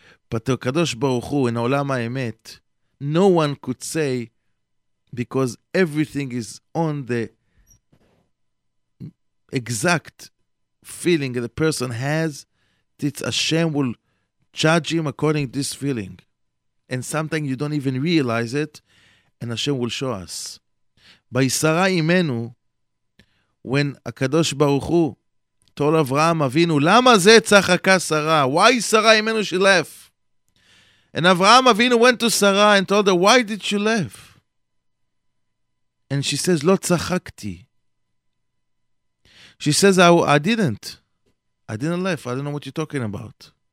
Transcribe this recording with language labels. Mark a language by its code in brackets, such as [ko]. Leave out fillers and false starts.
[en] But to HaKadosh Baruch Hu, in Olam HaEmet, no one could say, because everything is on the exact feeling that the person has, it's Hashem will judge him according to this feeling. And sometimes you don't even realize it, and Hashem will show us. [he] בישרה אימנו, [en] when הקדוש ברוך הוא told Avraham Avinu, [he] למה זה צחקה שרה? [en] Why שרה אימנו she left? And Avraham Avinu went to Sarah and told her, why did she left? And she says, [he] לא צחקתי. [en] She says, I didn't laugh. I don't know what you're talking about.